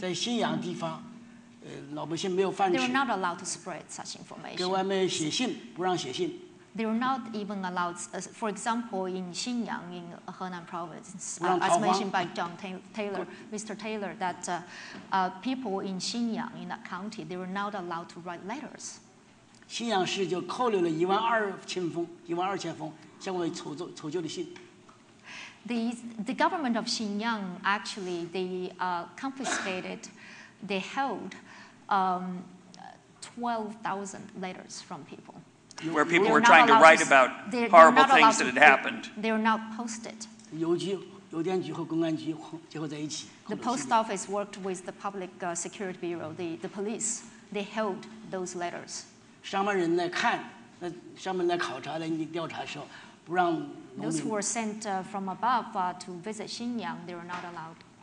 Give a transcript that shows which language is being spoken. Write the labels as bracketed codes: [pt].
[zh] 就是最大饥荒开始的时候啊，还是有一些人就是要传播这种饥荒的这些消息啊，这些信息。哎，不让传播。你比如说，在新阳地方，老百姓没有饭吃。 [en] They were not allowed to spread such information. [zh] 给外面写信，不让写信。 [en] They're not even allowed, for example, in Xinjiang, in Henan province, as mentioned by John Taylor, Mr. Taylor, that people in Xinjiang, in that county, they were not allowed to write letters. [zh] 新阳市就扣留了一万二千封相关的求救的信。 [en] The government of Xinjiang actually confiscated, they held 12,000 letters from people. Where people were trying to write about horrible things that had happened. They were not posted. [zh] 邮电局和公安局结合在一起, [en] the post office worked with the public security bureau, the police. They held those letters. [zh] 商人来看, [en] those who were sent from above to visit Xinjiang, they were not allowed.